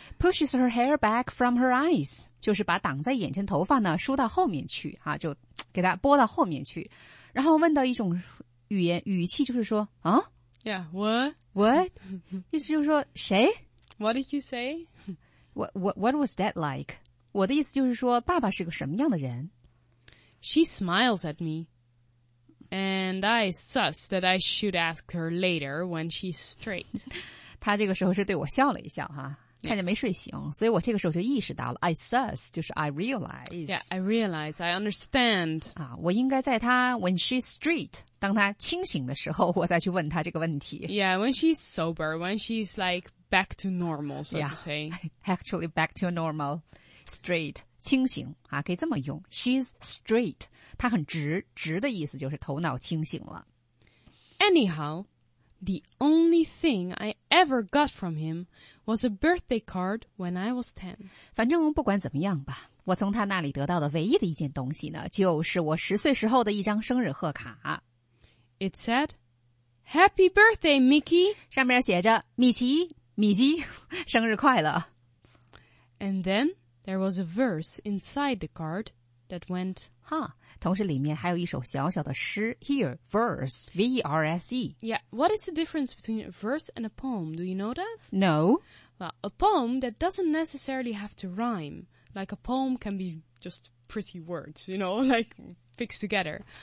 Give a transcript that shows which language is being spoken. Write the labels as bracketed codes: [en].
[en] Pushes her hair back from her eyes. [zh] 就是把挡在眼前头发呢梳到后面去啊，就给他拨到后面去。然后问到一种语气就是说啊 [en] Yeah, what? What? [zh] 意思就是说谁 [en] What did you say? What was that like? [zh] 我的意思就是说爸爸是个什么样的人 [en] She smiles at me. And I suss that I should ask her later when she's straight. [zh] 她这个时候是对我笑了一笑哈、啊、看见没睡醒、 [en] yeah. [zh] 所以我这个时候就意识到了 [en] I suss, [zh] 就是 [en] I realize. Yeah, I realize, I understand. [zh] 啊我应该在她 [en] when she's straight, [zh] 当她清醒的时候我再去问她这个问题。 [en] Yeah, when she's sober, when she's like back to normal, so yeah, to say. Actually back to normal, straight. [zh] 清醒啊，可以这么用。 [en] She's straight. [zh] 她很直，直的意思就是头脑清醒了。 [en] Anyhow, the only thing I ever got from him was a birthday card when I was 10. [zh] 反正不管怎么样吧，我从他那里得到的唯一的一件东西呢，就是我十岁时候的一张生日贺卡。 [en] It said, Happy birthday, Mickey. [zh] 上面写着米奇，生日快乐。 [en] And then,There was a verse inside the card that went, [zh] huh, 同时里面还有一首小小的诗 [en] here, verse, V-E-R-S-E. Yeah, what is the difference between a verse and a poem? Do you know that? No. Well, a poem that doesn't necessarily have to rhyme. Like a poem can be just pretty words, you know, like fixed together.